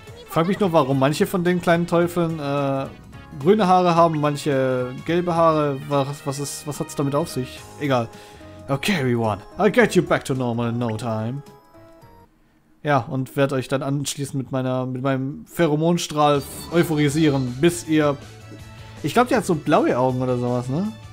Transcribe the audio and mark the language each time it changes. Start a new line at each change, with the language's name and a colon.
German: Frag mich nur, warum manche von den kleinen Teufeln grüne Haare haben, manche gelbe Haare. Was hat's damit auf sich? Egal.
English: Okay, everyone. I'll get you back to normal in no time.
German: Ja, und werde euch dann anschließend mit meinem Pheromonstrahl euphorisieren, bis ihr... Ich glaube, die hat so blaue Augen oder sowas, ne?